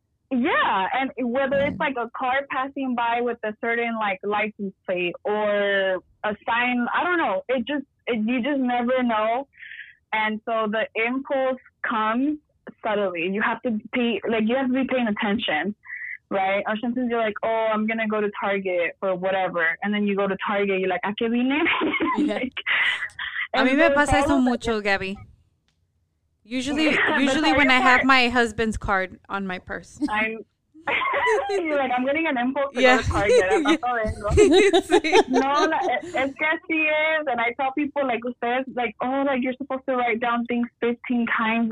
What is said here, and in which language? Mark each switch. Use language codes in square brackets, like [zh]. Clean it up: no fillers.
[en] Yeah, and whether it's like a car passing by with a certain like license plate or a sign, I don't know, you just never know. And so the impulse comes subtly. You have to be like, you have to be paying attention, right? Or sometimes you're like, oh, I'm gonna go to Target for whatever, and then you go to Target, you're like, [es] ¿a qué vine? Like, a mí me pasa eso mucho, Gabby. [en] Usually when I have my husband's card on my purse, you're like, I'm getting an impulse to go to Target. [es] No, es que así es. [en] And I tell people, like, ustedes, like, oh, like, you're supposed to write down things 15 times.